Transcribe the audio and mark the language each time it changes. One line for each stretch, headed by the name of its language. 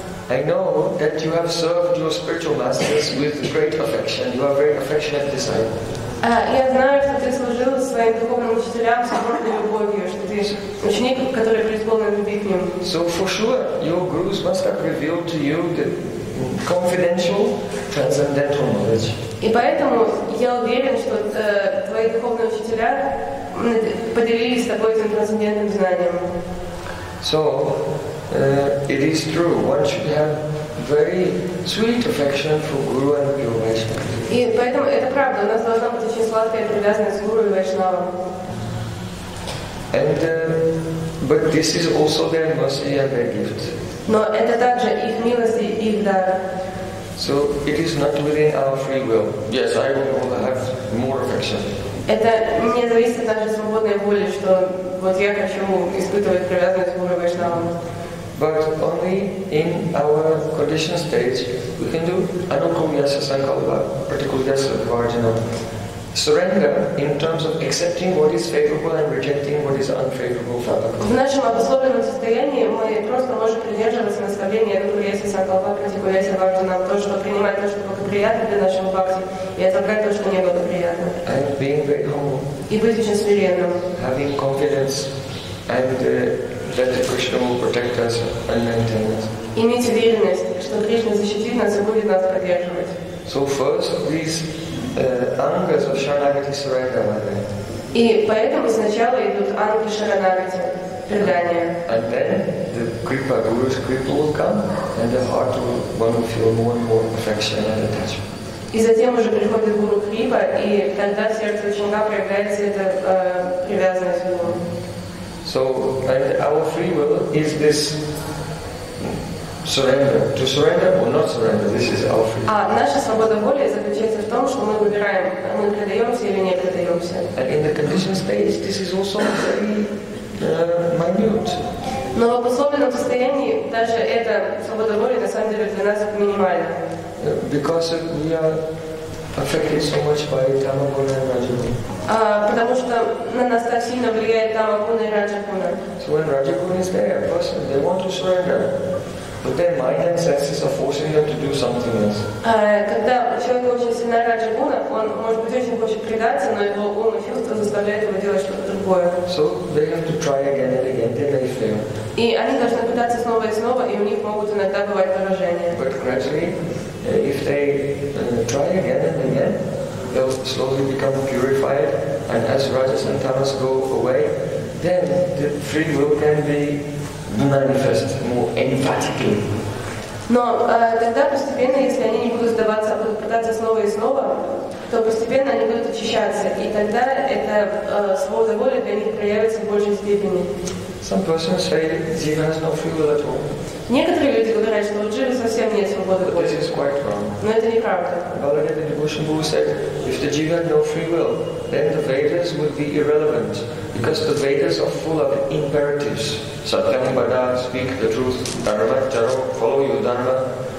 English: I know that you have served your spiritual masters with great affection. You are very affectionate disciple.
Russian: Я знаю, что ты служил своим духовным учителям с огромной любовью, что ты ученик, который преисполнен любви к ним.
English: So for sure, your gurus must have revealed to you the confidential transcendental knowledge.
Russian: И поэтому я уверен, что твои духовные учителя поделились с тобой этим трансцендентным знанием.
English: So, it is true, one should have very sweet affection for Guru and Pure Vaishnava.
Russian: И поэтому это правда, у нас должна быть очень сладкая привязанность к Гуру и Вайшнавам.
English: And but this is also their mercy and their gift.
Russian: Но это также их милость и их дар.
English: So it is not within our free will. Yes, I will have more affection.
Russian: Это не зависит от нашей свободной воли, что вот я хочу испытывать привязанность к Гуру и Вайшнавам.
English: But only in our conditioned state we can do anukumyasa sankalpa, pratikulyasa vajana. Surrender in terms of accepting what is favorable and rejecting what is unfavorable.
Russian: В нашем обособленном состоянии мы просто можем придерживаться наставления анукумьяса сангалпа, пратикулиаса варджана, то, что принимать то, что благоприятно для нашего бхакти, и отвергать то, что неблагоприятно.
English: And being very humble.
Russian: И быть очень смиренным.
English: Having confidence and that Krishna will protect us and maintain us.
Russian: Иметь уверенность, что Кришна защитит нас и будет нас поддерживать.
English: So first these angas of sharanagati surrender like that.
Russian: И поэтому сначала идут анги шаранагати, предания.
English: And then the kripa, Guru's kripa will come and the heart will one will feel more and more affection and attachment.
Russian: И затем уже приходит Гуру Крипа, и тогда сердце ученика проявляется эта привязанность к Гуру.
English: So and our free will is this surrender, to surrender or not surrender. This is our free will.
Russian: А наша свобода воли заключается в том, что мы выбираем, мы предаемся или не предаемся.
English: And in the conditioned state, this is also very minute.
Russian: Но в обусловленном состоянии даже эта свобода воли на самом деле для нас минимальна.
English: Because we are affected so much by tamaguna and rajaguna.
Russian: Потому что на нас так сильно влияет тамагуна и раджагуна.
English: So when rajaguna is there, person, they want to surrender, but their mind and senses are forcing them to do something else.
Russian: Когда человек очень сильно раджагуна, он может быть очень хочет предаться, но его ум и чувства заставляют его делать что-то другое.
English: So they have to try again and again, then they fail.
Russian: И они должны пытаться снова и снова, и у них могут иногда бывать поражения.
English: But gradually, if they try again and again, they'll slowly become purified, and as rajas and tamas go away, then the free will can be manifest more emphatically.
Russian: Но тогда постепенно, если они не будут сдаваться, а будут пытаться снова и снова, то постепенно они будут очищаться, и тогда эта свобода воли для них проявится в большей степени.
English: Some persons say Jiva has no free will at all.
Russian: Некоторые люди говорят, что у Джива совсем нет свободы воли.
English: This is quite wrong.
Russian: Но это неправда.
English: Balarama Devotion Guru said, if the Jiva had no free will, then the Vedas would be irrelevant, because the Vedas are full of imperatives. Satyam Bada, speak the truth, Dharma, Charo, follow your Dharma.